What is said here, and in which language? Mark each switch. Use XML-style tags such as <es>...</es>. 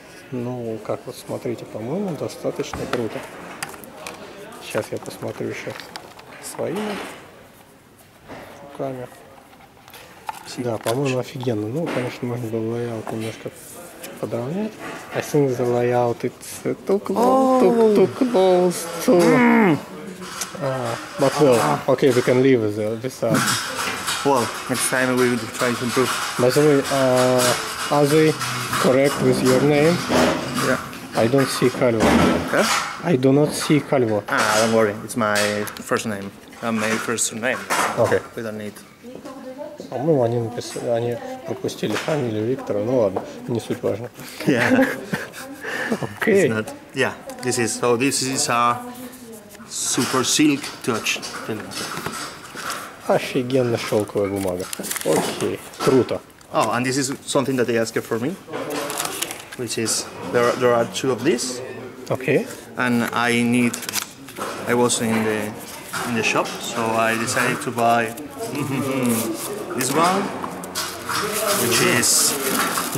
<ru>Ну, как вот смотрите, по-моему, достаточно круто. Сейчас я посмотрю еще своими руками. Да, по-моему, офигенно. Ну, конечно, можно было лайаут немножко подровнять.</ru> <en>I think the layout is too close to... But well, okay, we can leave this out. Well, next time we will try to improve. By the way, are they correct with your name? Yeah. I don't see Calvo. Huh? I do not see Calvo. Ah, don't worry. It's my first name. My first name. Okay. We don't need...</en> <ru>По-моему, они написали, они пропустили фамилию Виктора, ну ладно, не суть важно.</ru> <en>Yeah. Okay. It's not, yeah, this is a super silk touch.</en> <ru>Офигенно шелковая бумага. Окей, круто.</ru> <en>Oh, and this is something that they asked for me, which is, there are two of these. Okay. And I was in the shop, so I decided to buy this one, which is...</en>